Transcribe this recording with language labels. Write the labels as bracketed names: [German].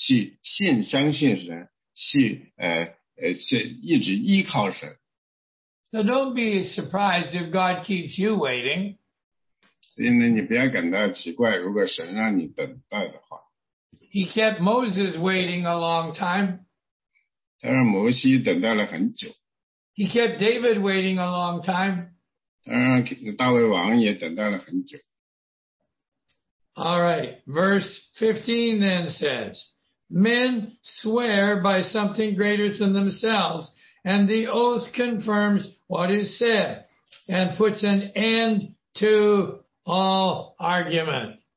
[Chinese] 其实这通常呢就是神的应许，神的应许呢，神先应许你，然后过一段时间，来神再实现他给你的应许。这样呢，就是让我们在这个等待的过程中呢，我们学会去信相信神，去。 [English] So don't be surprised if God keeps you waiting. [Chinese] 所以呢,你不要感到奇怪, 如果神让你等待的话, [English] He kept Moses waiting a long time. [Chinese] 他让摩西等待了很久, [English] He kept David waiting a long time. [Chinese] 他让大卫王也等待了很久。 [English] All right, verse 15 then says, Men swear by something greater than themselves, and the oath confirms what is said and puts an end to all argument.